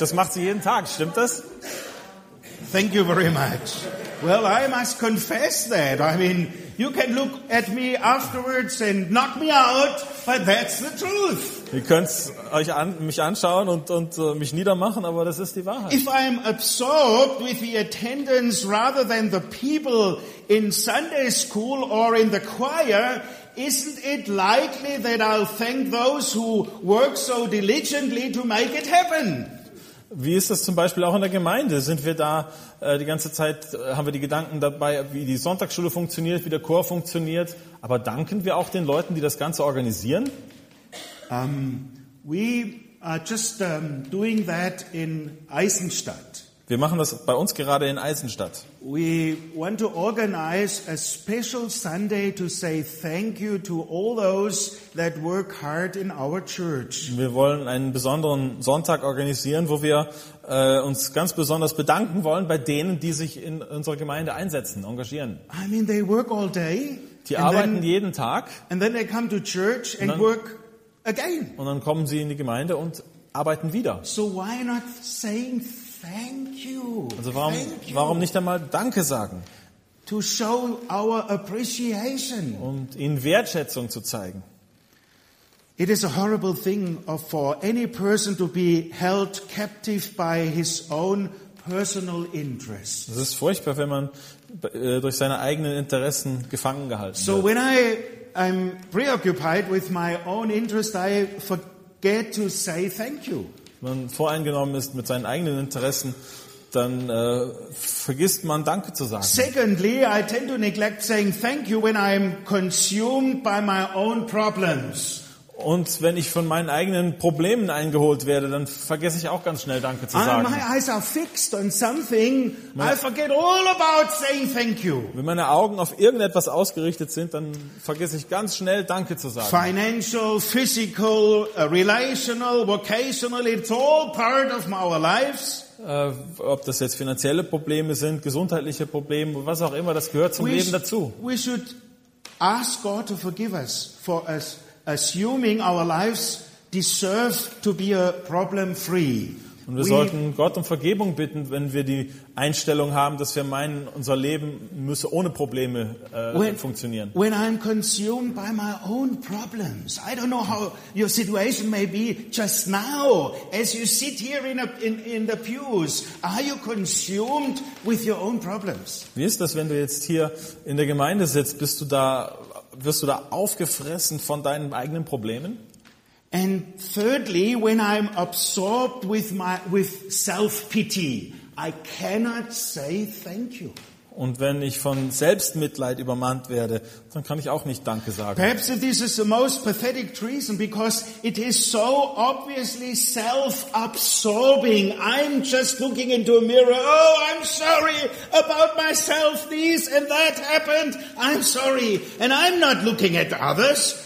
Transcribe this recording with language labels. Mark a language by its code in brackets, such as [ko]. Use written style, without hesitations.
[de] Das macht sie jeden Tag. Stimmt das? [en] Thank you very much. Well, I must confess that. I mean, you can look at me afterwards and knock me out, but that's the truth. [de] Ihr könnt euch mich anschauen und mich niedermachen, aber das ist die Wahrheit. [en] If I'm absorbed with the attendance rather than the people in Sunday school or in the choir, isn't it likely that I'll thank those who work so diligently to make it happen? [de] Wie ist das zum Beispiel auch in der Gemeinde? Sind wir da die ganze Zeit, haben wir die Gedanken dabei, wie die Sonntagsschule funktioniert, wie der Chor funktioniert, aber danken wir auch den Leuten, die das Ganze organisieren? [en] We are just doing that in Eisenstadt. [de] Wir machen das bei uns gerade in Eisenstadt. [en] We want to organize a special Sunday to say thank you to all those that work hard in our church. [de] Wir wollen einen besonderen Sonntag organisieren, wo wir uns ganz besonders bedanken wollen bei denen, die sich in unserer Gemeinde einsetzen, engagieren. [en] I mean, they work all day. [de] Die arbeiten jeden Tag. [en] And then they come to church and work again. [de] Und dann kommen sie in die Gemeinde und arbeiten wieder. [en] So why not saying thank you. [de] Also warum nicht einmal Danke sagen? [en] To show our appreciation. [de] Und ihnen Wertschätzung zu zeigen. [en] It is a horrible thing for any person to be held captive by his own personal interest. [de] Es ist furchtbar, wenn man durch seine eigenen Interessen gefangen gehalten wird. [en] So when I'm preoccupied with my own interest, I forget to say thank you. [de] Wenn man voreingenommen ist mit seinen eigenen Interessen, dann vergisst man Danke zu sagen. [en] Secondly, I tend to neglect saying thank you when I'm consumed by my own problems. [de] Und wenn ich von meinen eigenen Problemen eingeholt werde, dann vergesse ich auch ganz schnell Danke zu sagen. [en] My eyes are fixed on something, I forget all about saying thank you. [de] Wenn meine Augen auf irgendetwas ausgerichtet sind, dann vergesse ich ganz schnell Danke zu sagen. [en] Financial, physical, relational, vocational, it's all part of our lives. [de] Ob das jetzt finanzielle Probleme sind, gesundheitliche Probleme, was auch immer, das gehört zum Leben dazu. [en] We should ask God to forgive us for us. Assuming our lives deserve to be a problem free. [de] Und wir sollten Gott um Vergebung bitten, wenn wir die Einstellung haben, dass wir meinen, unser Leben müsse ohne Probleme funktionieren. [en] When I'm consumed by my own problems, I don't know how your situation may be just now, as you sit here in the pews, are you consumed with your own problems? [de] Wie ist das, wenn du jetzt hier in der Gemeinde sitzt, wirst du da aufgefressen von deinen eigenen Problemen? [en] And thirdly, when I'm absorbed with self-pity, I cannot say thank you. [de] Und wenn ich von Selbstmitleid übermannt werde, dann kann ich auch nicht Danke sagen. [en] Perhaps this is the most pathetic treason, because it is so obviously self-absorbing. I'm just looking into a mirror. Oh, I'm sorry about myself. This and that happened. I'm sorry. And I'm not looking at others.